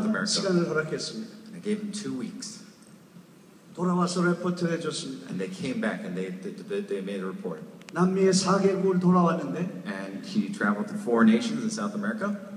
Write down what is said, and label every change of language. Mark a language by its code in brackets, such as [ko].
[ko] 두 주만 시간을 허락했습니다. [en] Gave him 2 weeks. [ko] 돌아와서 레포트 해줬습니다. [en] And they came back and they made a report. [ko] 남미에 4개국을 돌아왔는데. [en] And he traveled to 4 nations in South America.